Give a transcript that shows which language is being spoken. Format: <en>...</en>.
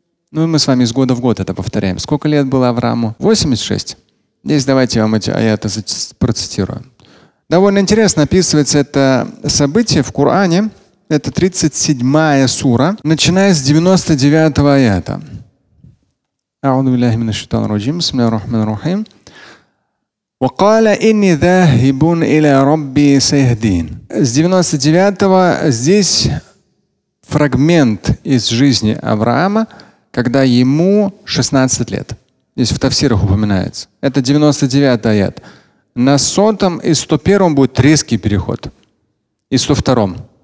<ru>Ну, мы с вами из года в год это повторяем. Сколько лет было Аврааму? 86. Здесь давайте я вам эти аяты процитирую. Довольно интересно описывается это событие в Коране. Это 37-я сура, начиная с 99-го аята.</ru> <ar>أعوذ بالله من الشيطان الرجيم. بسم الله الرحمن الرحيم. وقال إني ذاهب إلى ربي سيهدين.</ar> <ru>С 99-го здесь фрагмент из жизни Авраама, когда ему 16 лет. Здесь в тафсирах упоминается. Это 99-й аят. На 100-м и 101-м будет резкий переход. И 102-м.</ru>